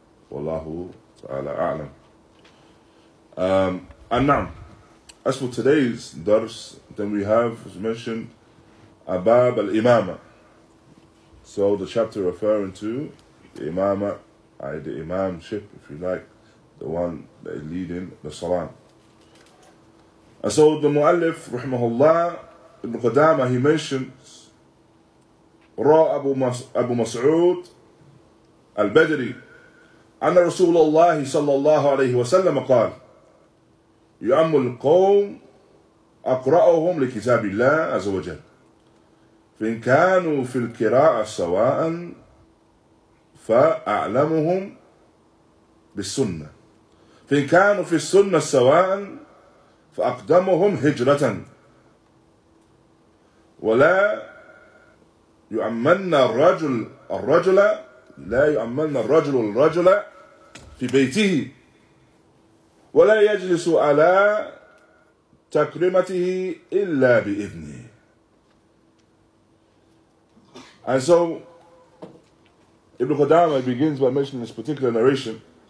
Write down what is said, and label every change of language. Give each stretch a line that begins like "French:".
Arabic: Wallahu ta'ala a'lam. An-Na'am.
English: As for today's dars, then we have, as mentioned, Abab al-Imama. So the chapter referring to the Imama, the Imamship, if you like, the one that is leading the salah. And so the Mu'allif, rahimahullah, Ibn Qadama, he mentions Ra' Abu Mas'ud al-Badri,
Arabic: Anna Rasulullah sallallahu alayhi wa sallam qal, Yu'ammul qawm أقرأهم لكتاب الله عز وجل فإن كانوا في القراءة سواء فأعلمهم بالسنة فإن كانوا في السنة سواء فأقدمهم هجرة ولا يؤمن الرجل الرجل لا يؤمن الرجل الرجل في بيته ولا يجلس على تكرمته إلا بإذنه.
English: And so Ibn Qudama begins by mentioning this particular narration.